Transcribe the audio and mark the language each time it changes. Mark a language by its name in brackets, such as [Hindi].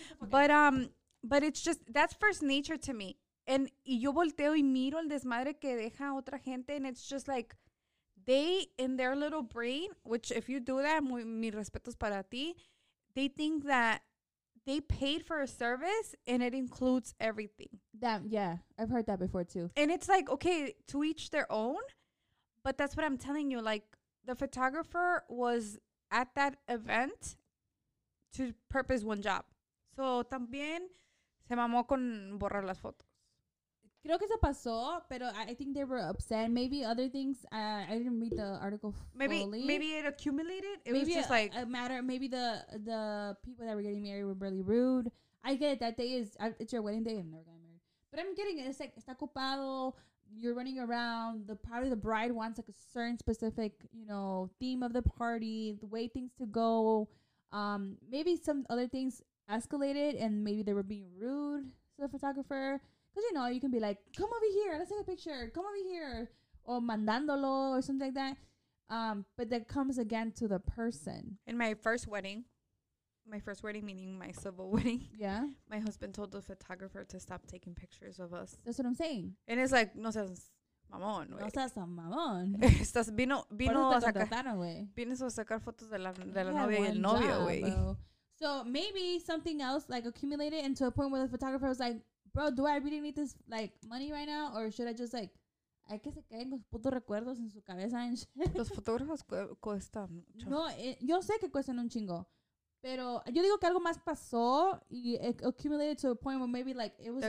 [English] But it's just, that's first nature to me. And [Spanish] yo volteo y miro el desmadre que deja otra gente, [English] and it's just like, they, in their little brain, which if you do that, [Spanish] muy, mi respetos para ti, [English] they think that they paid for a service and it includes everything. That, yeah, I've heard that before too. And it's like, okay, to each their own, but that's what I'm telling you. Like, the photographer was at that event to purpose one job. [Spanish] So, también se mamó con borrar las fotos. Creo que eso pasó, pero [English] I think they were upset. Maybe other things. I didn't read the article fully. Maybe it accumulated. It was just a matter. Maybe the people that were getting married were really rude. I get it. That day is, it's your wedding day and they're getting married. But I'm getting it. It's like, [Spanish] está ocupado. [English] You're running around. Probably the bride wants like a certain specific, you know, theme of the party, the way things to go. Maybe some other things escalated and maybe they were being rude to the photographer. Because, you know, you can be like, come over here. Let's take a picture. Come over here. Or mandándolo or something like that. But that comes again to the person. In my first wedding, meaning my civil wedding. Yeah. My husband told the photographer to stop taking pictures of us. That's what I'm saying. And it's like, [Spanish] no seas mamón. No seas mamón. Estás vino a sacar fotos de la novia y el novio, güey. [English] So maybe something else like accumulated into a point where the photographer was like, bro, do I really need this, like, money right now? Or should I just, like, [Spanish] hay que se queden los putos recuerdos en su cabeza. Los fotógrafos cuestan mucho. No, yo sé que cuestan un chingo. Pero yo digo que algo más pasó y [English] it accumulated to a point where maybe, like, it was